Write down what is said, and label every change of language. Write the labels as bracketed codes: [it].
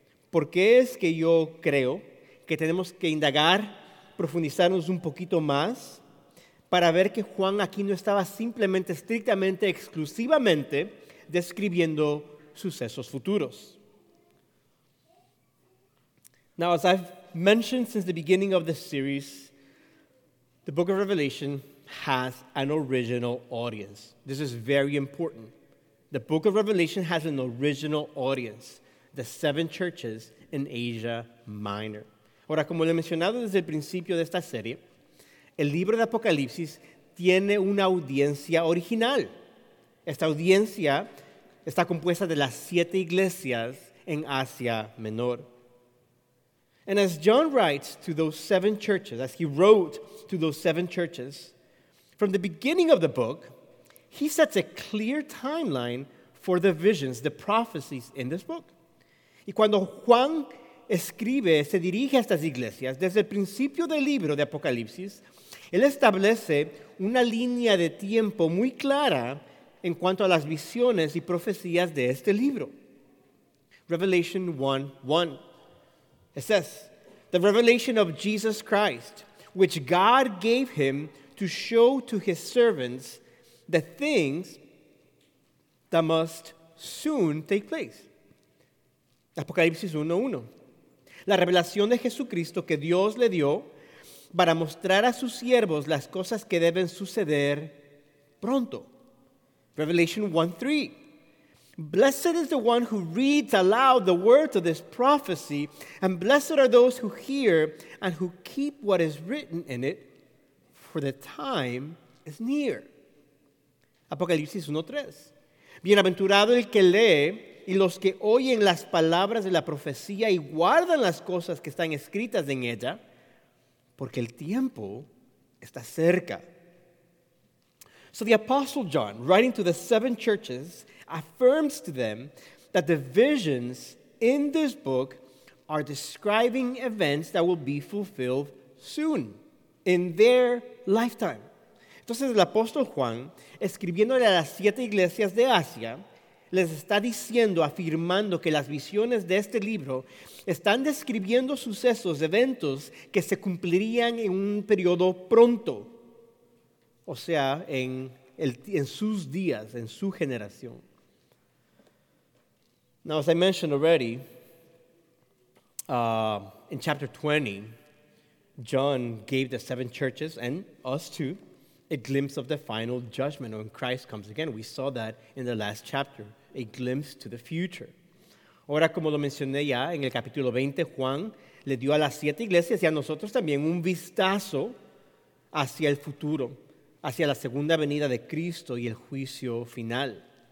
[es] ¿Por qué es que yo creo que tenemos que indagar, profundizarnos un poquito más para ver que Juan aquí no estaba simplemente, estrictamente, exclusivamente describiendo sucesos futuros? [en] Now, as I've mentioned since the beginning of this series, the book of Revelation has an original audience. This is very important. The book of Revelation has an original audience, the seven churches in Asia Minor. [es] Ahora, como le he mencionado desde el principio de esta serie, el libro de Apocalipsis tiene una audiencia original. Esta audiencia está compuesta de las siete iglesias en Asia Menor. [en] And as John writes to those seven churches, as he wrote to those seven churches, from the beginning of the book, he sets a clear timeline for the visions, the prophecies in this book. [es] Y cuando Juan escribe, se dirige a estas iglesias, desde el principio del libro de Apocalipsis, él establece una línea de tiempo muy clara en cuanto a las visiones y profecías de este libro. [en] Revelation 1:1. It says, "The revelation of Jesus Christ, which God gave him to show to his servants the things that must soon take place. [es] Apocalipsis 1:1. La revelación de Jesucristo que Dios le dio para mostrar a sus siervos las cosas que deben suceder pronto. [en] Revelation 1:3. Blessed is the one who reads aloud the words of this prophecy, and blessed are those who hear and who keep what is written in it, for the time is near. [es] Apocalipsis 1:3. Bienaventurado el que lee y los que oyen las palabras de la profecía y guardan las cosas que están escritas en ella, porque el tiempo está cerca. [en] So the Apostle John, writing to the seven churches, affirms to them that the visions in this book are describing events that will be fulfilled soon, in their lifetime. [es] Entonces el apóstol Juan, escribiéndole a las siete iglesias de Asia, les está diciendo, afirmando que las visiones de este libro están describiendo sucesos, eventos que se cumplirían en un periodo pronto, o sea, en sus días, en su generación. [en] Now, as I mentioned already, in chapter 20, John gave the seven churches and us too a glimpse of the final judgment when Christ comes again. We saw that in the last chapter, a glimpse to the future. [es] Ahora, como lo mencioné ya, en el capítulo 20, Juan le dio a las siete iglesias y a nosotros también un vistazo hacia el futuro, hacia la segunda venida de Cristo y el juicio final.